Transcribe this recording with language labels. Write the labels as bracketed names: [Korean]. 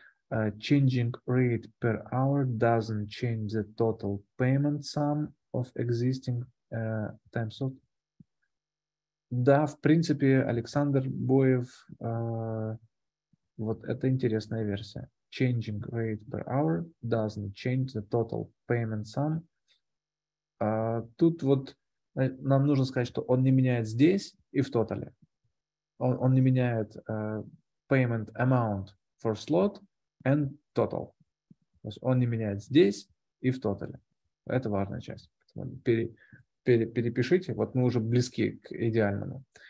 [English] Changing rate per hour doesn't change the total payment sum of existing time slot. [Russian] Да, в принципе, Александр Боев, вот это интересная версия. [English] Changing rate per hour doesn't change the total payment sum. [Russian] Тут вот нам нужно сказать, что он не меняет здесь и в тотале. Он не меняет [English] payment amount for slot and total. [Russian] То есть он не меняет здесь и в тотале. Это важная часть. Перепишите. Вот мы уже близки к идеальному.